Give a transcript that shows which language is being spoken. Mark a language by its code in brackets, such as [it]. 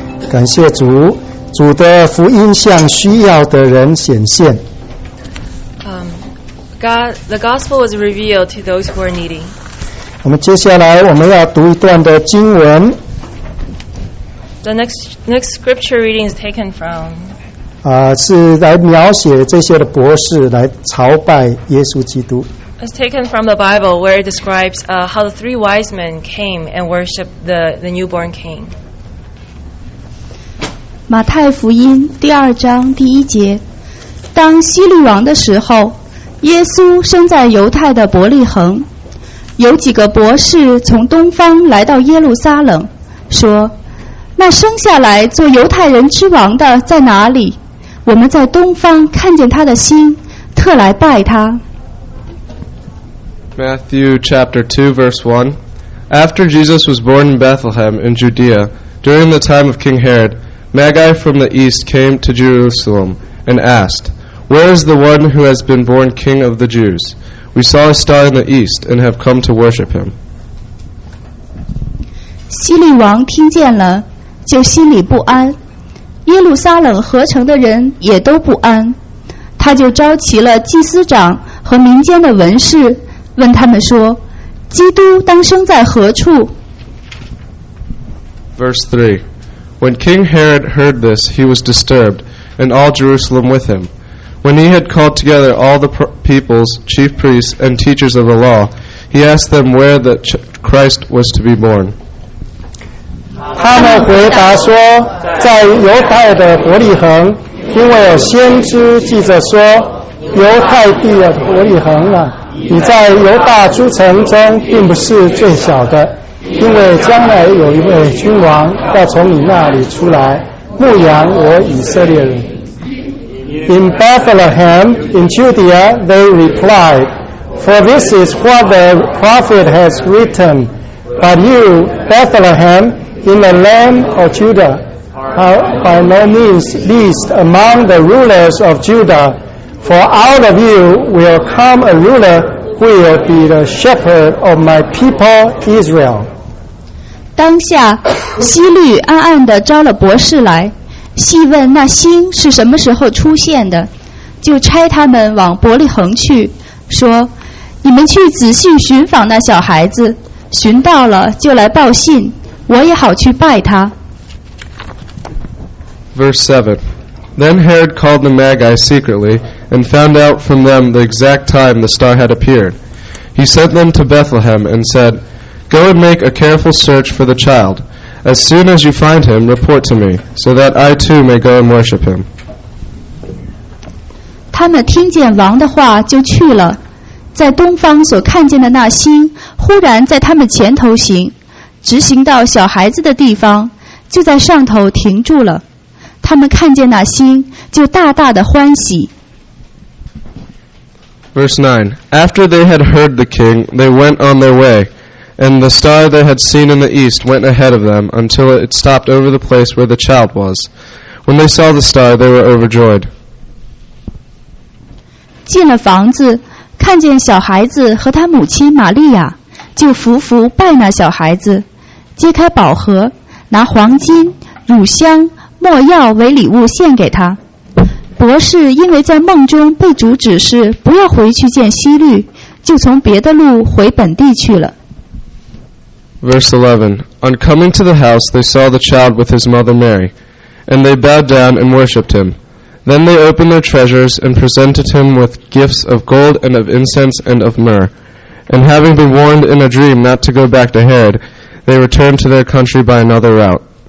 [zh] 感谢主，主的福音向需要的人显现。 [en] The gospel was revealed to those who are needy. [zh] 我们接下来我们要读一段的经文。 [en] The next scripture reading is taken from. [zh] 是来描写这些的博士来朝拜耶稣基督。 [en] It's taken from the Bible where it describes how the three wise men came and worshiped the newborn king. [zh] 马太福音第二章第一节，当希律王的时候，耶稣生在犹太的伯利恒。有几个博士从东方来到耶路撒冷，说：“那生下来做犹太人之王的在哪里？我们在东方看见他的心，特来拜他。” [en] Matthew chapter 2 verse 1. After Jesus was born in Bethlehem in Judea, during the time of King Herod, Magi from the east came to Jerusalem and asked, Where is the one who has been born king of the Jews? We saw a star in the east and have come to worship him. [zh] 希律王听见了，就心里不安，耶路撒冷合城的人也都不安，他就召集了祭司长和民间的文士，问他们说，基督当生在何处？ [en] Verse 3. When King Herod heard this, he was disturbed, and all Jerusalem with him. When he had called together all the people's chief priests and teachers of the law, he asked them where the Christ was to be born. [zh] 他们回答说，在犹太的伯利恒，因为有先知记着说，犹太地的伯利恒啊，你在犹大诸城中并不是最小的，因为将来有一位君王要从你那里出来，牧养我以色列人。 [en] In Bethlehem, in Judea, they replied, For this is what the prophet has written, But you, Bethlehem, in the land of Judah, are by no means least among the rulers of Judah, For out of you will come a ruler who will be the shepherd of my people Israel. [zh] 当下，希律暗暗地招了博士来，细问那星是什么时候出现的，就差他们往伯利恒去，说：你们去仔细寻访那小孩子，寻到了就来报信，我也好去拜他。 [en] Verse 7. Then Herod called the Magi secretly and found out from them the exact time the star had appeared. He sent them to Bethlehem and said, Go and make a careful search for the child. As soon as you find him, report to me, so that I too may go and worship him. [zh] 他们听见王的话就去了，在东方所看见的那星忽然在他们前头行，直行到小孩子的地方，就在上头停住了。他们看见那星就大大的欢喜。 [en] Verse 9. After they had heard the king, they went on their way. And the star they had seen in the east went ahead of them until it stopped over the place where the child was. When they saw the star, they were overjoyed. [zh] 进了房子，看见小孩子和他母亲玛利亚，就伏伏拜那小孩子，揭开宝盒，拿黄金、乳香、墨药为礼物献给他。博士因为在梦中被主指示不要回去见希律，就从别的路回本地去了。 [en] Verse 11. On coming to the house, they saw the child with his mother Mary, and they bowed down and worshipped him. Then they opened their treasures and presented him with gifts of gold and of incense and of myrrh. And having been warned in a dream not to go back to Herod, they returned to their country by another route.